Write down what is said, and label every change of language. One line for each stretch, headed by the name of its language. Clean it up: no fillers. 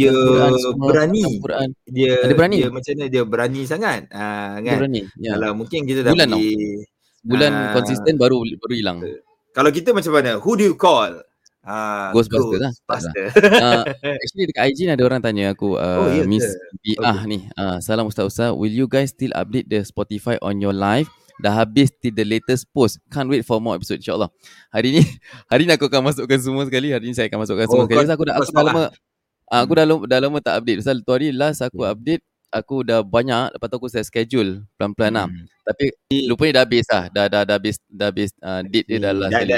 Malay: Tapi dia berani. Dia berani. Dia macam mana dia berani sangat. Kan? Berani. Ya. Kalau mungkin kita dah bulan pergi bulan konsisten baru hilang. Kalau kita macam mana?
English: Who do you call?
Malay: Ghostbusters lah. Actually dekat IG ni ada orang tanya aku. Miss BA ni. Salam Ustaz-Ustaz.
English: Will you guys still update the Spotify on your live?
Malay: Dah habis
English: till the latest post. Can't wait for more episode.
Malay: InsyaAllah. Hari ni aku akan masukkan semua sekali. Hari ni saya akan masukkan semua sekali. Aku dah lama tak update. Sebab tu hari last aku update. Aku dah banyak. Lepas tu aku saya schedule pelan-pelan lah. Tapi lupa ni dah habis lah. Dah habis date dia dah last.